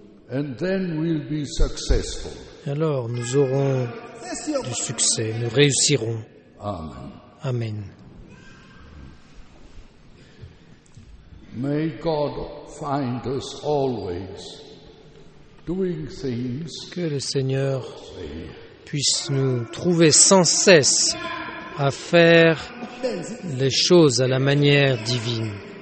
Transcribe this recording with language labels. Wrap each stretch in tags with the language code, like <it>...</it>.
<en>And then we'll be successful.</en> <fr>Alors nous aurons du succès, nous réussirons. Amen. Amen.</fr> <en>May God find us always doing things.</en> <fr>Que le Seigneur puisse nous trouver sans cesse à faire les choses à la manière divine.</fr>